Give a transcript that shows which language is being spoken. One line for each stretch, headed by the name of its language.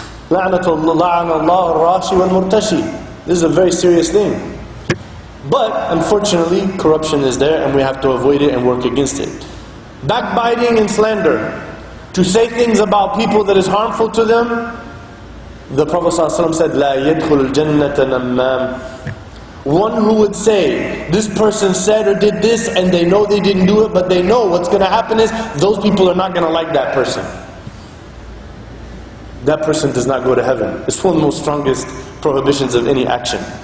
Arabic: لَعْنَةُ اللَّهُ الرَّاشِي وَالْمُرْتَشِي.
English: This is a very serious thing. But, unfortunately, corruption is there and we have to avoid it and work against it. Backbiting and slander. To say things about people that is harmful to them. The Prophet ﷺ said,
Arabic: لَا يَدْخُلُ الْجَنَّةَ نَمَّامٌ.
English: One who would say, this person said or did this and they know they didn't do it, but they know what's going to happen is, those people are not going to like that person. That person does not go to heaven. It's one of the most strongest prohibitions of any action.